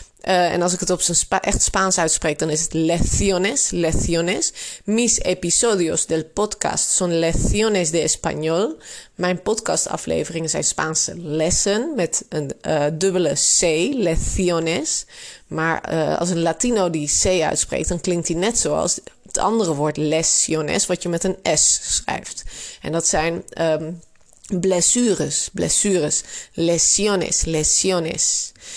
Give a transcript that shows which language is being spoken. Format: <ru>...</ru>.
<nl>En als ik het op zijn echt Spaans uitspreek, dan is het lecciones, lecciones.</nl> <es>Mis episodios del podcast son lecciones de español.</es> <nl>Mijn podcastafleveringen zijn Spaanse lessen met een dubbele C, lecciones. Maar als een Latino die C uitspreekt, dan klinkt hij net zoals het andere woord lesiones, wat je met een S schrijft. En dat zijn blessures, lesiones.</nl>